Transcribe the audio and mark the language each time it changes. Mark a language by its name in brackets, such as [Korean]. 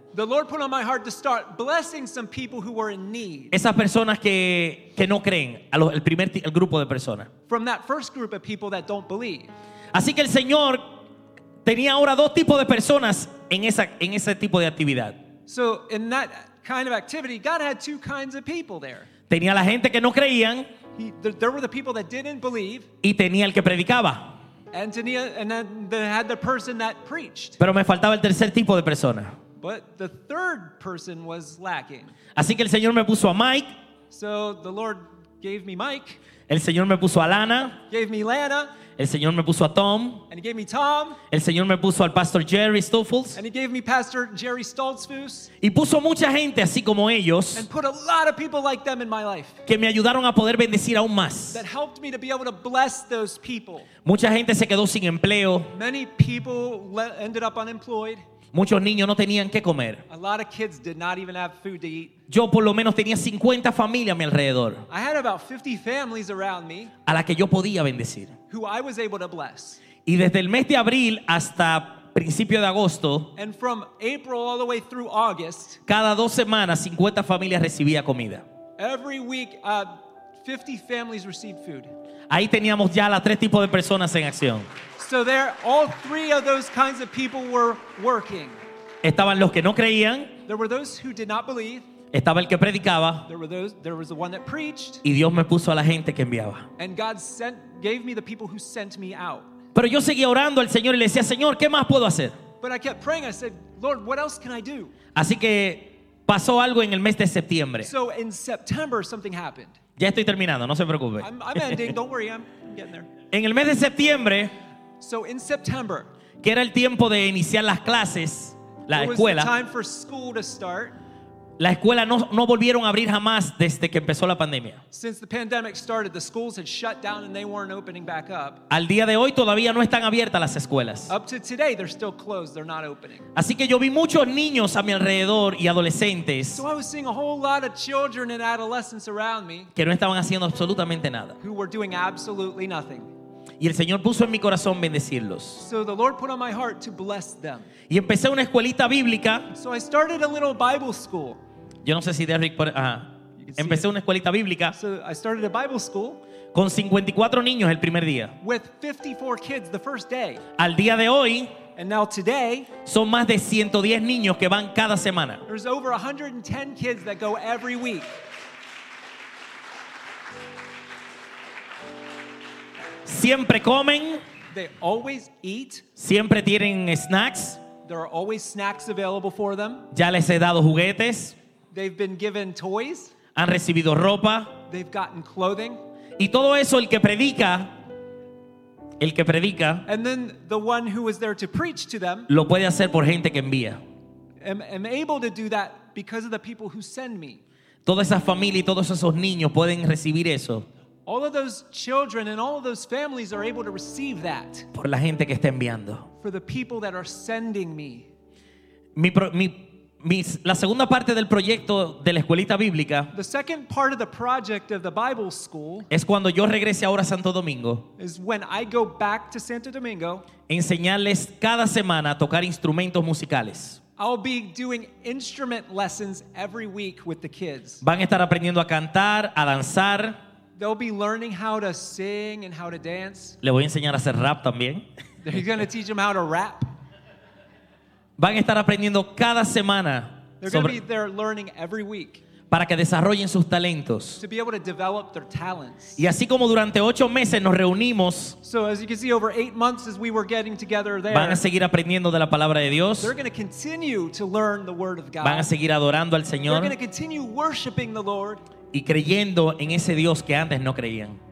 [English] The Lord put on my heart to start blessing some people who were in need. [Spanish] Esas personas que no creen, el grupo de personas. [English] From that first group of people that don't believe. [Spanish] Así que el Señor tenía ahora dos tipos de personas en ese tipo de actividad. [English] So in that kind of activity, God had two kinds of people there. [Spanish] Tenía la gente que no creían. [English] There were the people that didn't believe. [Spanish] Y tenía el que predicaba. [English] And then had the person that preached. [Spanish] Pero me faltaba el tercer tipo de persona. [English] But the third person was lacking. [Spanish] Así que el Señor me puso a Mike. [English] So the Lord gave me Mike. [Spanish] El Señor me puso a Lana. [English] Gave me Lana. [Spanish] El Señor me puso a Tom. [English] And he gave me Tom. [Spanish] El Señor me puso al Pastor Jerry Stoffels. [English] And he gave me Pastor Jerry Stoltzfus. [Spanish] Y puso mucha gente así como ellos. [English] And put a lot of people like them in my life. [Spanish] Que me ayudaron a poder bendecir aún más. [English] That helped me to be able to bless those people. [Spanish] Mucha gente se quedó sin empleo. [English] Many people ended up unemployed. [Spanish] Muchos niños no tenían qué comer. [English] A lot of kids did not even have food to eat. [Spanish] Yo por lo menos tenía 50 familias a mi alrededor. [English] I had about 50 families around me. [Spanish] A la que yo podía bendecir. [English] Who I was able to bless. [Spanish] Y desde el mes de abril hasta principio de agosto. [English] And from April all the way through August. [Spanish] Cada dos semanas 50 familias recibía comida. [English] Every week 50 families received food. [Spanish] Ahí teníamos ya las tres tipos de personas en acción. [English] So there, all three of those kinds of people were working. [Spanish] Estaban los que no creían. [English] There were those who did not believe. [Spanish] Estaba el que predicaba. [English] There was the one that preached. [Spanish] Y Dios me puso a la gente que enviaba. [English] And God gave me the people who sent me out. [Spanish] Pero yo seguía orando al Señor y le decía, Señor, ¿qué más puedo hacer? [English] But I kept praying. I said, Lord, what else can I do? [Spanish] Así que pasó algo en el mes de septiembre. [English] So in September, something happened. [Spanish] Ya estoy terminando, no se preocupe. [English] I'm ending, don't worry, I'm getting there. [Spanish] En el mes de septiembre, [English] so in September, [Spanish] que era el tiempo de iniciar las clases, la escuela, [English] was the time for school to start, [Spanish] la escuela no volvieron a abrir jamás desde que empezó la pandemia. [English] Since the pandemic started, the schools had shut down and they weren't opening back up. [Spanish] Al día de hoy todavía no están abiertas las escuelas. [English] Up to today, they're still closed, they're not opening. [Spanish] Así que yo vi muchos niños a mi alrededor y adolescentes. [English] So I was seeing a whole lot of children and adolescents around me. [Spanish] Que no estaban haciendo absolutamente nada. [English] Who were doing absolutely nothing. [Spanish] Y el Señor puso en mi corazón bendecirlos. [English] So the Lord put on my heart to bless them. [Spanish] Y empecé una escuelita bíblica. [English] So I started a little Bible school. [Spanish] Yo no sé si Derrick, empecé una escuelita bíblica. [English] So I started a Bible school. [Spanish] Con 54 niños el primer día. [English] With 54 kids the first day. [Spanish] Al día de hoy. [English] And now today. [Spanish] Son más de 110 niños que van cada semana. [English] There's over 110 kids that go every week. [Spanish] Siempre comen. [English] They always eat. [Spanish] Siempre tienen snacks. [English] There are always snacks available for them. [Spanish] Ya les he dado juguetes. [English] They've been given toys. [Spanish] Han recibido ropa. [English] They've gotten clothing. [Spanish] Y todo eso el que predica. [English] And then the one who was there to preach to them. [Spanish] Lo puede hacer por gente que envía. [English] I'm able to do that because of the people who send me. [Spanish] Toda esa familia y todos esos niños pueden recibir eso. [English] All of those children and all of those families are able to receive that. [Spanish] Por la gente que está enviando. [English] For the people that are sending me. [Spanish] La segunda parte del proyecto de la escuelita bíblica. [English] The second part of the project of the Bible school. [Spanish] Es cuando yo regrese ahora a Santo Domingo. [English] Is when I go back to Santo Domingo. [Spanish] Enseñarles cada semana a tocar instrumentos musicales. [English] I'll be doing instrument lessons every week with the kids. [Spanish] Van a estar aprendiendo a cantar, a danzar. [English] They'll be learning how to sing and how to dance. [Spanish] Le voy a enseñar a hacer rap también. [English] They're going to teach them how to rap. [Spanish] Van a estar aprendiendo cada semana. [English] They're going to be there learning every week. [Spanish] Para que desarrollen sus talentos. [English] To be able to develop their talents. [Spanish] Y así como durante 8 meses nos reunimos. [English] So as you can see, over 8 months as we were getting together there. [Spanish] Van a seguir aprendiendo de la palabra de Dios. [English] They're going to continue to learn the word of God. [Spanish] Van a seguir adorando al Señor. [English] They're going to continue worshiping the Lord. [Spanish] Y creyendo en ese Dios que antes no creían.